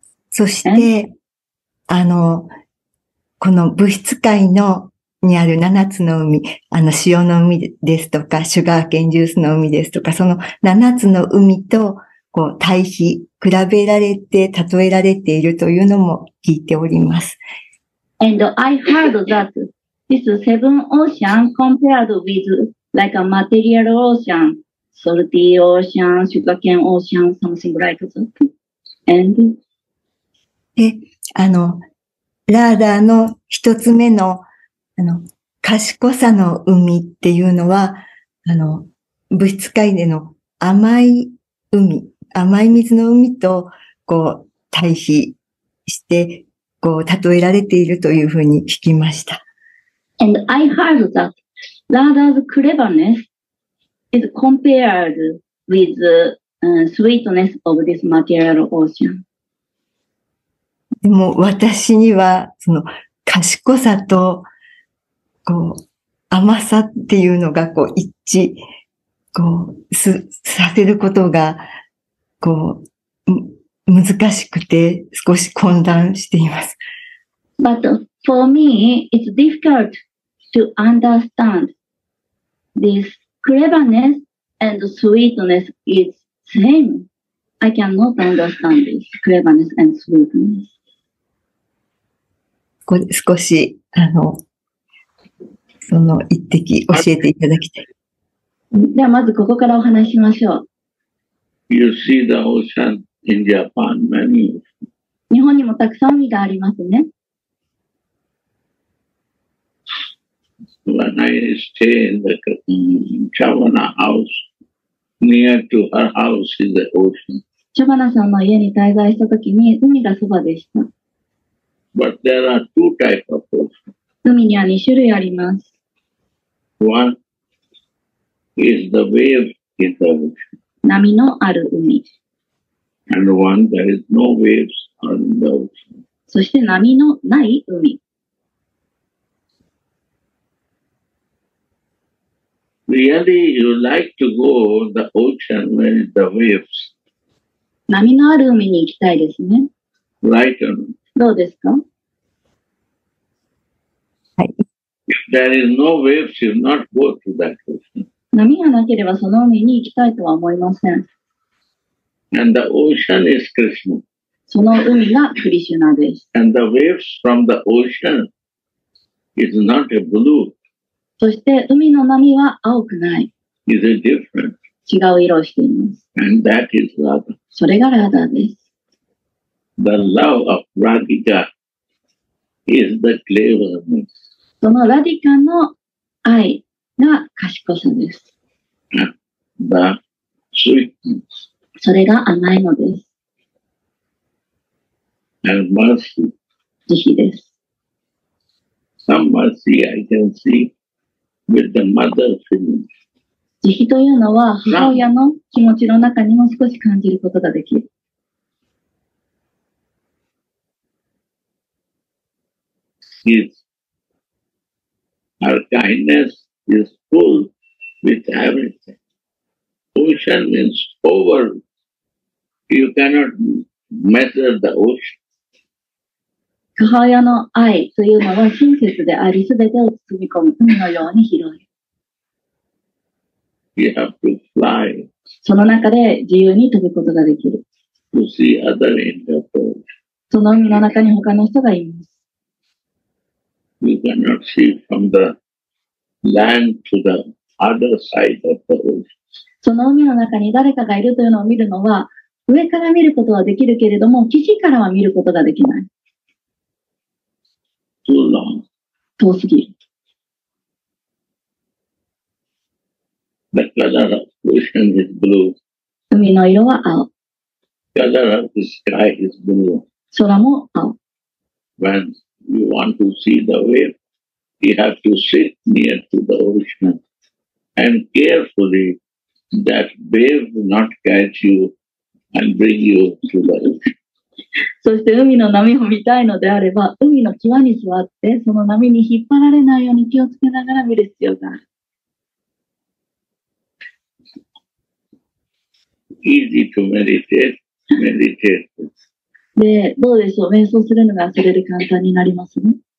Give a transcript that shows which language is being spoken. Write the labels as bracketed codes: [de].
[ja] そして、この物質界のにある七つの海、塩の海ですとか、シュガーケンジュースの海ですとか、その七つの海と、こう、対比、比べられて、例えられているというのも聞いております。 [en] And I heard that. This seven ocean compared with like a material ocean, salty ocean, sugarcane ocean, something like that. And? [ja] で、ラーダーの一つ目の、賢さの海っていうのは、物質界での甘い水の海と、こう、対比して、こう、例えられているというふうに聞きました。 [en] And I heard that Radha's cleverness is compared with the sweetness of this material ocean. [ja] でも私には、その賢さと、こう、甘さっていうのが、こう、一致、こう、させることが、こう、難しくて、少し混乱しています。 [en] But for me, it's difficult. To understand this cleverness and sweetness is same. I cannot understand this cleverness and sweetness. [ja] これ少し、その一滴教えていただきたい。ではまずここからお話しましょう。 [en] You see the ocean in Japan, many. [ja] 日本にもたくさん海がありますね。 [en] When I stay in the Chavana house, near to her house is the ocean. [ja] Chavana さんの家に滞在したときに海がそばでした。 [en] But there are two types of ocean. [ja] 海には2種類あります。 [en] One is the wave in the ocean. [ja] 波のある海。 [en] And one that is no waves on the ocean. [ja] そして波のない海。 [en] Really, you like to go the ocean when the waves. [ja] 波のある海に行きたいですね。 [en] Right. [ja] どうですか？はい。 [en] If there is no waves, you not go to that ocean. [ja] 波がなければその海に行きたいとは思いません。 [en] And the ocean is Krishna. [ja] その海がクリシュナです。 [en] And the waves from the ocean is not a blue. [ja] そして海の波は青くない。 [en] Is it different? [ja] 違う色をしています。 [en] And that is Radha. [ja] それがラダです。 [en] The love of Radhika is the cleverness. [ja] そのラディカの愛が賢さです。 [en] The sweetness. [ja] それが甘いのです。 [en] And mercy. [ja] 慈悲です。 [en] Some mercy I can see with the mother feeling. [ja] 慈悲というのは母親の気持ちの中にも少し感じることができる。 [en] Is her kindness is full with everything. Ocean is over. You cannot measure the ocean. [ja] 母親の愛というのは親切であり、すべてを包み込む海のように広い。 [en] You have to fly. [ja] その中で自由に飛ぶことができる。 [en] To see other individuals. [ja] その海の中に他の人がいます。 [en] You cannot see from the land to the other side of the ocean. [ja] その海の中に誰かがいるというのを見るのは、上から見ることはできるけれども、岸からは見ることができない。遠すぎる。 [en] The color of the ocean is blue. [ja] 海の色は青。 [en] The color of the sky is blue. [ja] 空も青。 [en] When you want to see the wave, you have to sit near to the ocean and carefully that wave will not catch you and bring you to the ocean. [ja] そして海の波を見たいのであれば、海の際に座って、その波に引っ張られないように気をつけながら見る必要がある。 [en] Easy to meditate, meditate. [ja] で、どうでしょう、瞑想するのがそれで簡単になりますね。